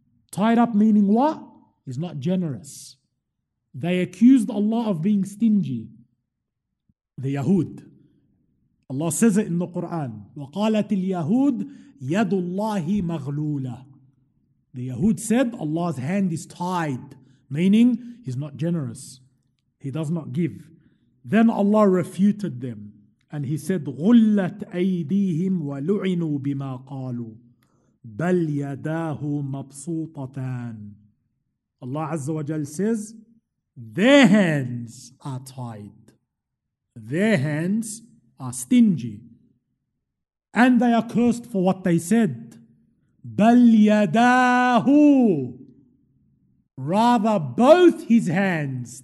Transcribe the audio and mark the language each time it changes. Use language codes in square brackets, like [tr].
[en] Tied up meaning what? He's not generous. They accused Allah of being stingy. The Yahud. Allah says it in the Quran. [ar] وَقَالَتِ الْيَهُودُ يَدُ اللَّهِ مَغْلُولَةٌ. [en] The Yahud said, Allah's hand is tied, meaning He's not generous. He does not give. Then Allah refuted them. And He said, [ar] غُلَّتْ أَيْدِيهِمْ وَلُعِنُوا بِمَا قَالُوا بَلْ يَدَاهُ مَبْسُوطَتَانِ. [en] Allah Azza wa Jal says, their hands are tied. Their hands are stingy. And they are cursed for what they said. [ar] بَلْ يَدَاهُ. [en] Rather, both His hands.